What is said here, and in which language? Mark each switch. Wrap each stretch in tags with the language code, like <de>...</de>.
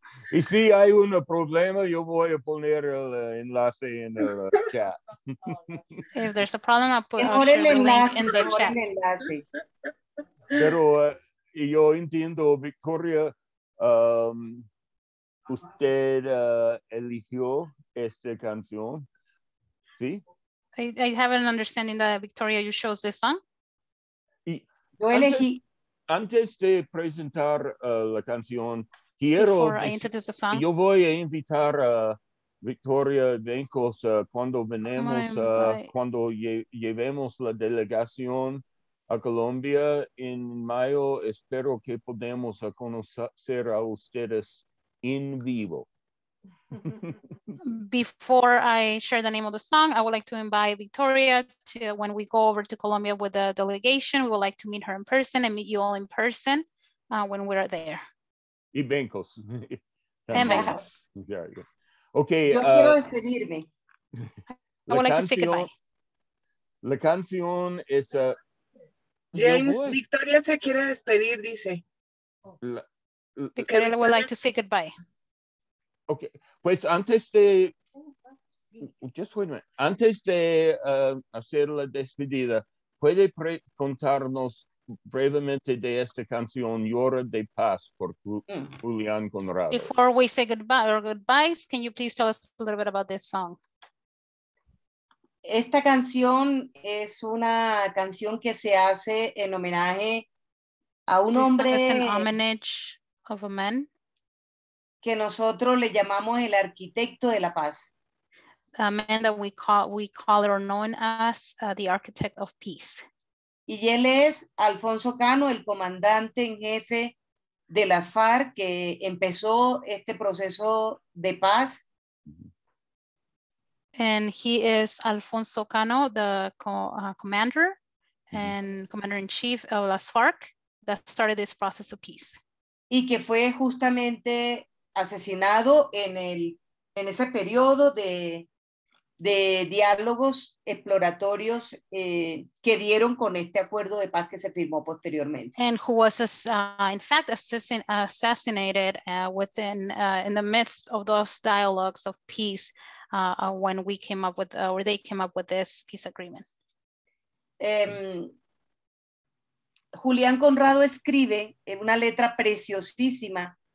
<es>Y si hay un problema, yo voy a poner el enlace en el chat.</es> <en>If there's a problem, I'll put the link in the chat.</en> <es>Pero yo entiendo, Victoria, usted eligió esta canción.</es> <en>I have an understanding that Victoria, you chose this song.</en> <es>Antes de presentar la canción, quiero</es> <en>I introduce the song.</en> <es>Yo voy a invitar a Victoria Benkos cuando venemos, cuando llevemos la delegación a Colombia en mayo. Espero que podamos conocer a ustedes en vivo.</es> <en>Before I share the name of the song, I would like to invite Victoria to, when we go over to Colombia with the delegation, we would like to meet her in person and meet you all in person when we are there.</en> <es>Y Benkos.</es> <en>And Benkos. There you go. Okay.</en> <es>Yo quiero despedirme.</es> <en>I would like to say goodbye.</en> <es>La canción es James, Victoria se quiere despedir, dice.</es> <en>Victoria would like to say goodbye.</en> <es>Okay, pues antes de,</es> <en>just wait a minute,</en> <es>antes de hacer la despedida, ¿puede contarnos brevemente de esta canción, Llora de Paz, por Julián Conrado?</es> <en>Before we say goodbye or goodbyes, can you please tell us a little bit about this song?</en> <es>Esta canción es una canción que se hace en homenaje a un hombre.</es> <en>This song is an homage of a man.</en> <es>Que nosotros le llamamos el arquitecto de la paz.</es> <en>A man that we call or known as the architect of peace.</en> <es>Y él es Alfonso Cano, el comandante en jefe de las FARC, que empezó este proceso de paz.</es> <en>And he is Alfonso Cano, the commander and commander-in-chief of las FARC that started this process of peace.</en> <es>Y que fue justamente asesinado en ese periodo de de diálogos exploratorios que dieron con este acuerdo de paz que se firmó posteriormente.</es> <en>And who was in fact assassinated within in the midst of those dialogues of peace when we came up with or they came up with this peace agreement.</en> <es>Julián Conrado escribe en una letra preciosísima.</es>